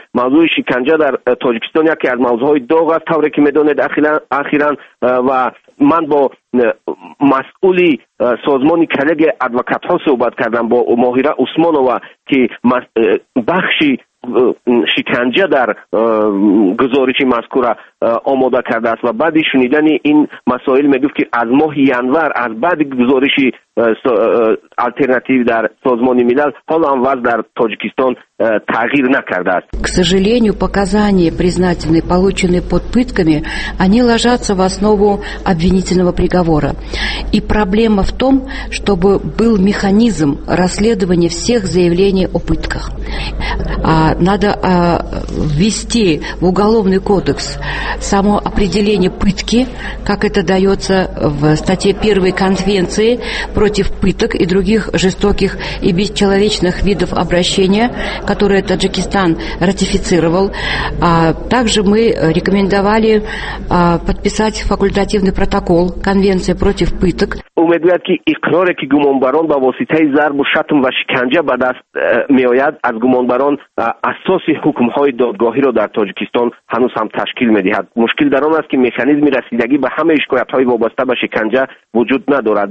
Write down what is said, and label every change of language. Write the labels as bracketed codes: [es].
[fa] موضوع شکنجه در تاجیکستان یکی از موضوعهای داغ است، طوری که میدونید اخیراً و من با مسئولی سازمانی کلگ ادوکات ها صحبت کردم، با ماهیره عثمانوا، که بخشی شکنجه در گزارش مذکور آماده کرده است و بعد شنیدن این مسائل میگفت که از ماه ینور، از بعد گزارش الترناتیو در سازمان ملل، حالا هم وضع در تاجیکستان تغییر نکرده است. [ru] К сожалению, показания, признательные, полученные под пытками, они ложатся в основу обвинительного приговора. И проблема в том, чтобы был механизм расследования всех заявлений о пытках. Надо ввести в уголовный кодекс само определение пытки, как это дается в статье 1 Конвенции против пыток и других жестоких и бесчеловечных видов обращения, которые Таджикистан ратифицировал. Также мы рекомендовали подписать факультативный протокол Конвенции против пыток. [tg] Умедлят ки икроре ки гумонбарон ба воситаи зарбу шатм ва шиканжа ба даст меояд аз гумонбарон асоси хукмҳои додгоҳиро дар Тоҷикистон ҳанӯз ҳам ташкил медиҳад. Мушкил дар он аст ки механизми расидагӣ ба ҳамаи шикоятҳои вобаста ба шиканжа вуҷуд надорад.